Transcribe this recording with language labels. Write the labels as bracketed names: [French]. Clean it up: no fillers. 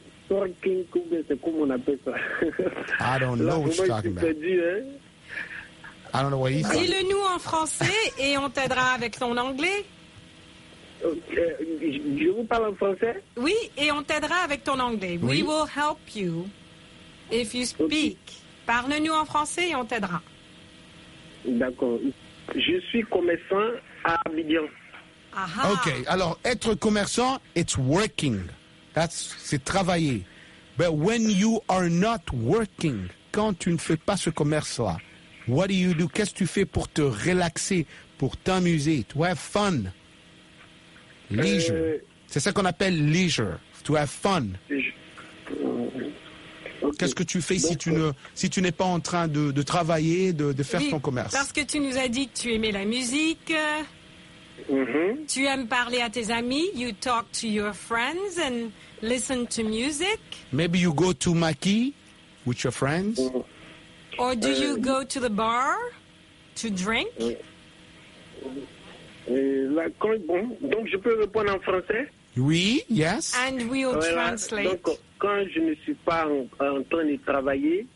[English] Working cook, [French] c'est comme on appelle ça. [English] I don't know what you're talking about. [French] Dit, hein? [English] I don't know what he's talking. [French] Dis-le-nous en français et on t'aidera avec ton anglais. Je vous parle en français? Oui, et on t'aidera avec ton anglais. Oui. [English] We will help you if you speak. Okay. [French] Parle-nous en français et on t'aidera. D'accord. Je suis commerçant à Abidjan. Aha. OK. Alors, être commerçant, [English] it's working. That's, [French] c'est travailler. [English] But when you are not working, [French] quand tu ne fais pas ce commerce-là, [English] what do you do? [French] Qu'est-ce que tu fais pour te relaxer, pour t'amuser? [English] To have fun. Leisure. [French] C'est ça qu'on appelle leisure. [English] To have fun. Okay. [French] Qu'est-ce que tu fais si tu, ne, si tu n'es pas en train de travailler, de faire oui, ton commerce? Parce que tu nous as dit que tu aimais la musique. Mm-hmm. Tu aimes parler à tes amis. [English] You talk to your friends and listen to music. Maybe you go to Maki with your friends. Mm-hmm. Or do you go to the bar to drink? [French] Donc je peux répondre en français? Oui, yes. [English] And we'll translate. [French] Donc quand je ne suis pas en train de travailler.